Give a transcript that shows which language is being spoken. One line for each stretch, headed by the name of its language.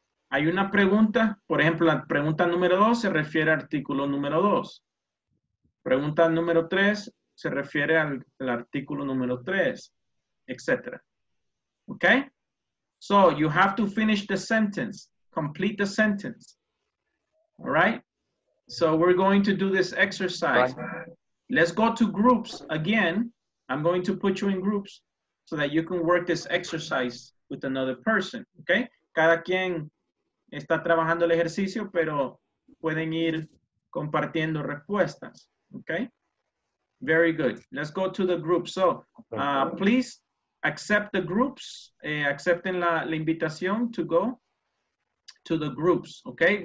Spanish: Hay una pregunta, por ejemplo, la pregunta número dos se refiere al artículo número dos. Pregunta número tres se refiere al artículo número tres, etc.
English: Okay? So you have to finish the sentence, complete the sentence, all right? So we're going to do this exercise. Right. Let's go to groups again. I'm going to put you in groups so that you can work this exercise with another person, okay?
Spanish: Cada quien está trabajando el ejercicio, pero pueden ir compartiendo respuestas, okay?
English: Very good. Let's go to the group. So please accept the groups,
Spanish: accepten la invitación
English: to go to the groups, okay?